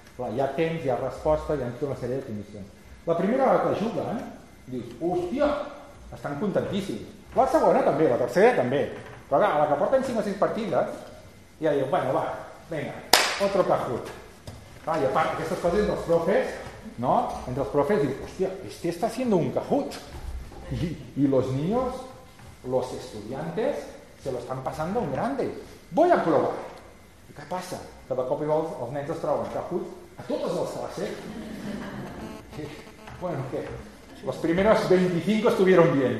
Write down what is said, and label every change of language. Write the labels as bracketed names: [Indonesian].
[Catalan] Clar, hi ha temps, hi ha resposta, hi ha tota una sèrie de condicions. La primera vegada que juguen, dius, hòstia, estan contentíssims. La segona també, la tercera també. Però clar, a la que porten 5 o 6 partides, ja diuen, bueno, va, vinga, [Spanish] otro Kahoot. [Catalan] Clar, i a part, aquestes coses entre els profes, no? Entre els profes, dius, hòstia, [Spanish] este está haciendo un Kahoot. I los niños, los estudiantes, se lo están pasando un grande. Voy a probar. [Catalan] I què passa? Que de cop i volta els nens es troben Kahoot a totes les classes. Bueno, què? [Spanish] Los primeros 25 estuvieron bien.